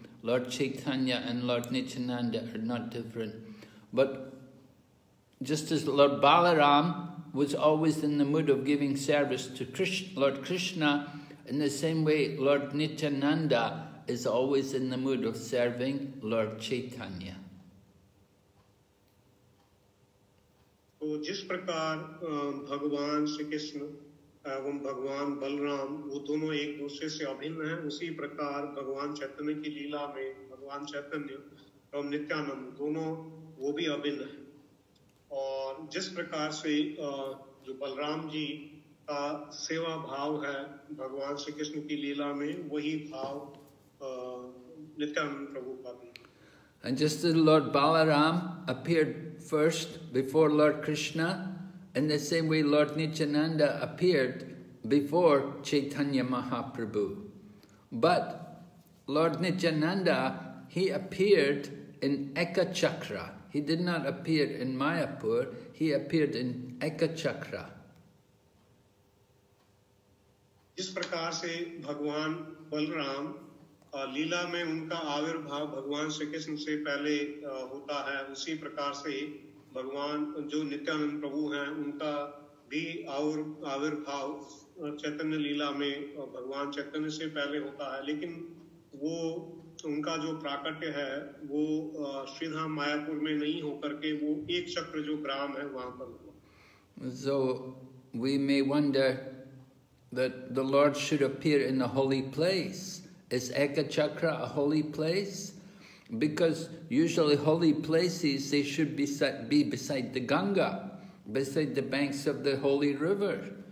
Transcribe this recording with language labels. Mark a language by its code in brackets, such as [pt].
[en] Lord Chaitanya and Lord Nityananda are not different, but just as Lord Balaram was always in the mood of giving service to Lord Krishna, in the same way Lord Nityananda is always in the mood of serving Lord Chaitanya. [hi] तो जिस प्रकार भगवान श्री कृष्ण एवं भगवान बलराम वो दोनों एक दूसरे से अभिन्न हैं, उसी प्रकार भगवान चैतन्य की लीला में भगवान चैतन्य एवं नित्यानंद दोनों वो भी अभिन्न हैं। और जिस प्रकार से जो बलराम जी का सेवा भाव है भगवान श्री कृष्ण की लीला में, वही भाव नित्यानंद प्रभु का भी। [en] And just as Lord Balaram appeared first before Lord Krishna, in the same way Lord Nityananda appeared before Chaitanya Mahaprabhu. But Lord Nityananda, he appeared in Ekachakra. He did not appear in Mayapur, he appeared in Ekachakra. [hi] Jis prakar se Bhagwan Balaram लीला में उनका आविर्भाव भगवान श्री कृष्ण से पहले होता है, उसी प्रकार से भगवान जो नित्यानंद प्रभु हैं उनका भी आविर्भाव चैतन्य लीला में भगवान चैतन्य से पहले होता है, लेकिन वो उनका जो प्राकट्य है वो श्रीधाम मायापुर में नहीं होकर के वो एक चक्र जो ग्राम है वहां पर हुआ। [en] So we may wonder that the Lord should appear in the holy place. Is Ekachakra a holy place? Because usually holy places, they should be beside the Ganga, beside the banks of the holy river.